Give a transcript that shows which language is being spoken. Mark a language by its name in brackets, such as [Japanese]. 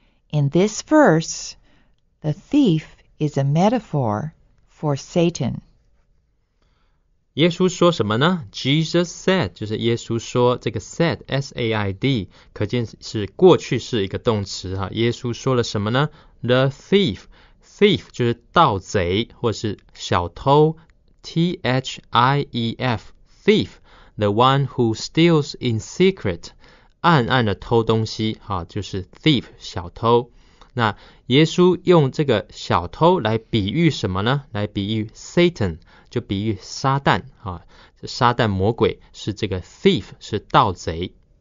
[English] In this verse, the thief is a metaphor for Satan. [Chinese] 耶稣说什么呢? [English] Jesus said, [Chinese] 就是耶稣说这个 said, S-A-I-D, 可见是过去式一个动词。耶稣说了什么呢? The thief, thief 就是盗贼或是小偷。 [English] T-H-I-E-F, thief, the one who steals in secret, [Chinese] 暗暗的偷东西、啊、就是 [English] thief, 小偷。 [Chinese] 那耶稣用这个小偷来比喻什么呢？来比喻 Satan, 就比喻撒旦、啊、撒旦魔鬼是这个 thief, 是盗贼。